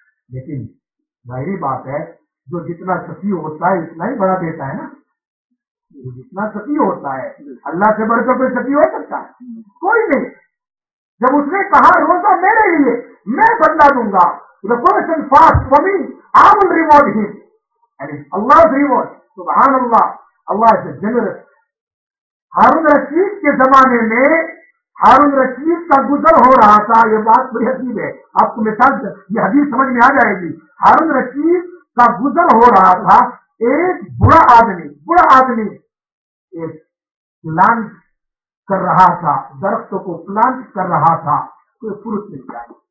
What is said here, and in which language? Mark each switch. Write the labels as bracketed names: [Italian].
[Urdu] لیکن ظاہری بات ہے جو جتنا سخی ہوتا ہے اتنا ہی بڑا دیتا ہے نا, جتنا سخی ہوتا ہے اللہ سے بڑھ کر کوئی سخی ہو سکتا ہے؟ کوئی نہیں. جب اس نے کہا روزہ میرے لیے میں بدلہ دوں گا, [English] the person fast for me, I will reward him and it's Allah's reward. [Urdu] سبحان اللہ, اللہ [English] is a generous. [Urdu] Haroon Rashid کے زمانے میں ہارون رشید کا گزر ہو رہا تھا, یہ بات بڑی عجیب ہے آپ کو مثال, یہ حدیث سمجھ میں آ جائے گی. ہارون رشید کا گزر ہو رہا تھا, ایک بڑا آدمی ایک پلانٹ کر رہا تھا, درختوں کو پلانٹ کر رہا تھا, کوئی فروٹ مل جائے.